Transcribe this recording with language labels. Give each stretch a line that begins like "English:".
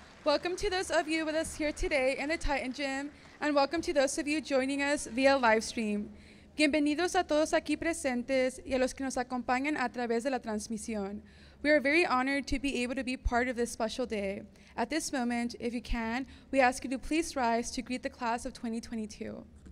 English: Welcome to those of you with us here today in the Titan Gym, and welcome to those of you joining us via live stream.
Spanish: Bienvenidos a todos aquí presentes y a los que nos acompañan a través de la transmisión.
English: We are very honored to be able to be part of this special day. At this moment, if you can, we ask you to please rise to greet the class of 2022.